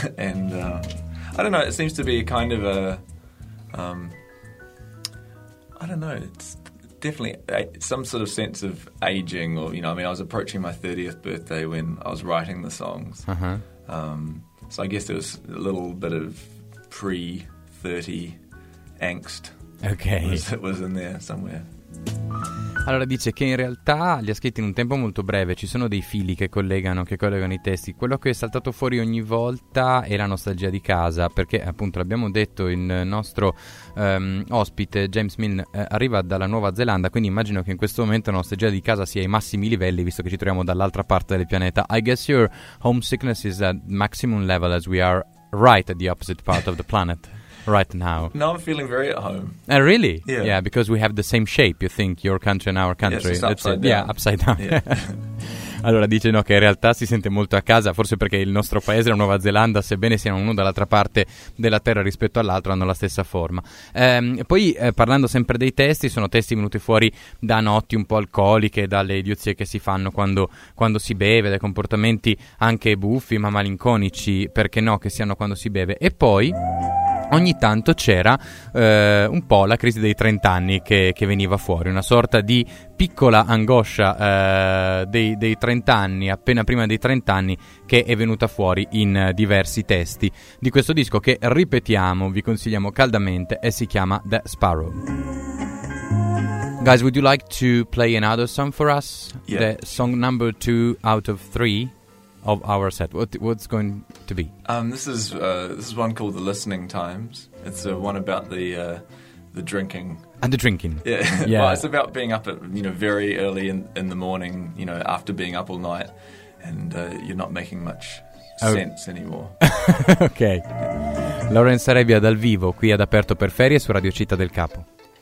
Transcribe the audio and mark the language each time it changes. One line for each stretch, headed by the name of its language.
English: And I don't know, it seems to be kind of a, I don't know, it's definitely some sort of sense of aging, or, you know, I mean, I was approaching my 30th birthday when I was writing the songs, so I guess there was a little bit of pre-30 angst. Okay. was in there somewhere.
Italian: Allora dice che in realtà li ha scritti in un tempo molto breve, ci sono dei fili che collegano i testi. Quello che è saltato fuori ogni volta è la nostalgia di casa, perché appunto l'abbiamo detto, il nostro ospite James Milne arriva dalla Nuova Zelanda, quindi immagino che in questo momento la nostalgia di casa sia ai massimi livelli, visto che ci troviamo dall'altra parte del pianeta.
English: I guess your homesickness is at maximum level as we are right at the opposite part of the planet. Right now. No, I'm feeling very at home. Really? Yeah. Yeah, because we have the same shape, you think, your country and our country. Yes, it's upside down. Yeah, upside down. Yeah.
Italian: Allora dice no, che in realtà si sente molto a casa, forse perché il nostro paese, la Nuova Zelanda, sebbene siano uno dall'altra parte della terra rispetto all'altro, hanno la stessa forma. Poi parlando sempre dei testi, sono testi venuti fuori da notti un po' alcoliche, dalle idiozie che si fanno quando si beve, dai comportamenti anche buffi ma malinconici, perché no, che siano quando si beve. E poi ogni tanto c'era un po' la crisi dei 30 anni che veniva fuori, una sorta di piccola angoscia dei 30 anni, appena prima dei 30 anni, che è venuta fuori in diversi testi di questo disco che, ripetiamo, vi consigliamo caldamente, e si chiama The Sparrow.
English: Guys, would you like to play another song for us? Yeah. The song number 2 out of 3 of our set. What's going to be? This is one called The Listening Times. It's one about the drinking. And the drinking. Yeah. Well, it's about being up at, you know, very early in the morning, you know, after being up all night, and you're not making much sense anymore.
Italian: Okay. Lorenz Arebbia dal vivo, qui ad Aperto per Ferie, su Radio Città del Capo.